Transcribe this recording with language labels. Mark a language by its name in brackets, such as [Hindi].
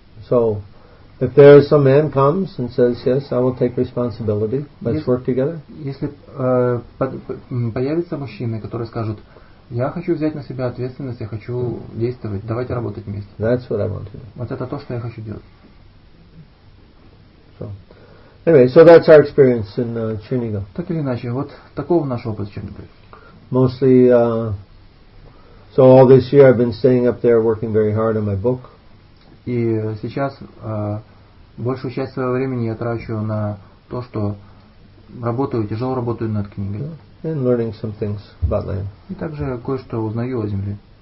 [English] So, if there is some man comes and says, yes, I will take responsibility, let's work together. [Russian] Если появятся мужчины, которые скажут, я хочу взять на себя ответственность, я хочу действовать, давайте работать вместе. [English] That's what I want to do. [Russian] Вот это то, что я хочу делать. [English] So, anyway, so that's our experience in Chernigov. [Russian] Так или иначе, вот такого наш опыт в Чернигове. [English] Mostly, so all this year I've been staying up there working very hard on my book. [Russian] И сейчас большую часть своего времени я трачу на то, что работаю, тяжело работаю над книгой. [English] Yeah. And learning some things about land. [Russian] И также кое-что узнаю о земле.